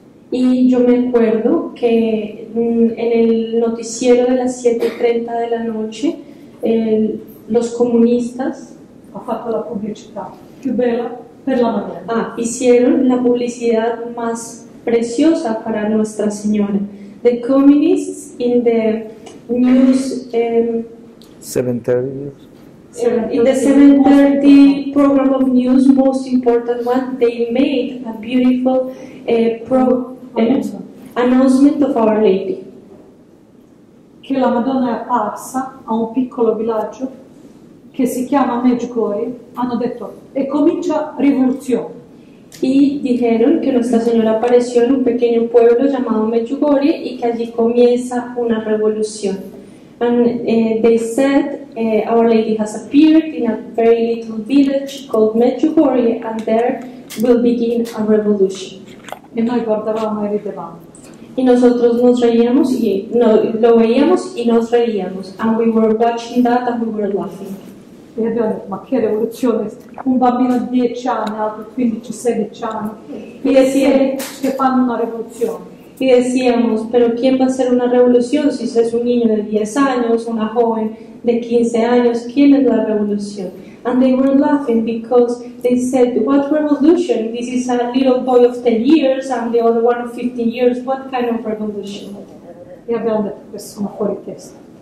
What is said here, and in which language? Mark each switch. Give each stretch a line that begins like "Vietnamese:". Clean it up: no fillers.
Spanish: Y yo me acuerdo que en el noticiero de las 7:30 de la noche, los comunistas
Italian: ha fatto la pubblicità più bella per la Madonna.
Spanish: Hicieron la publicidad más preciosa para Nuestra Señora.
English: The communists in the news 7:30 news. In the 7:30 program of news, most important one, they made a beautiful announcement of Our Lady.
Italian: Che la Madonna è apparsa a un piccolo villaggio che si chiama Medjugorje, hanno detto, e comincia rivoluzione.
Spanish: Y dijeron que Nuestra Señora apareció en un pequeño pueblo llamado Medjugorje y que allí comienza una revolución.
English: And they said, Our Lady has appeared in a very little village called Medjugorje and there will begin a revolution.
Italian: E noi guardavamo e ridevamo.
Spanish: Y nosotros nos reíamos y no, lo veíamos y nos reíamos.
English: And we were watching that and we were laughing.
Italian: E abbiamo detto, ma che rivoluzione, un bambino di 10 anni, altro 15, 16 anni, e
Spanish: decíamos,
Italian: che fanno una rivoluzione.
Spanish: Y decíamos, pero ¿quién va a hacer una revolución si es un niño de 10 años, una joven de 15 años? ¿Quién es la revolución?
English: And they were laughing because they said, what revolution? This is a little boy of 10 years and the other one of 15 years. What kind of revolution?
Spanish: Y habían dicho, pues son fuera de testa.